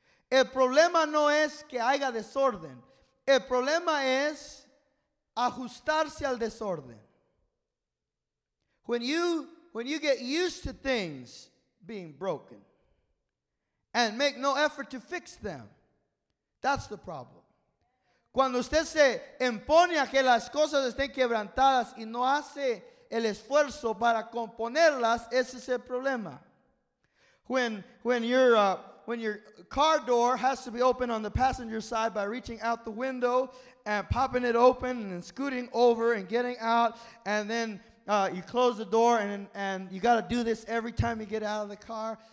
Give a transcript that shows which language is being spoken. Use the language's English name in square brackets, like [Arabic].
[Spanish] El problema no es que haya desorden. El problema es ajustarse al desorden. [English] When you get used to things being broken and make no effort to fix them, that's the problem. [Spanish] Cuando usted se impone a que las cosas estén quebrantadas y no hace el esfuerzo para componerlas, ese es el problema. [English] When your car door has to be opened on the passenger side by reaching out the window and popping it open and then scooting over and getting out, and then you close the door and you got to do this every time you get out of the car.